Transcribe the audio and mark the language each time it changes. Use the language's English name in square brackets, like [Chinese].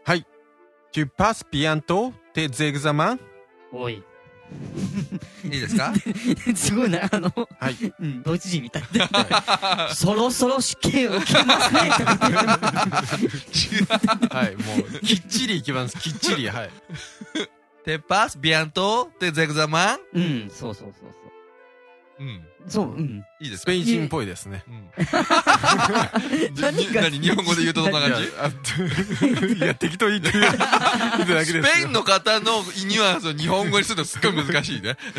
[French] はい、 tu passes bientôt tes examens。 [Japanese] おい、いいですかすごいね、あの、はい、うん、ドイツ人みたいでそろそろ試験を受けますねはい、もうきっちりいきます、きっちり、はい、 [French] tu passes bientôt tes examens。 [Japanese] うん、そうそうそうそう、うん、そう、うん、いいです。スペイン人っぽいですね。うん、何日本語で言うとどんな感じ？いや適当に言ってるだけです。スペインの方のニュアンスを日本語にするとすっごい難しいね。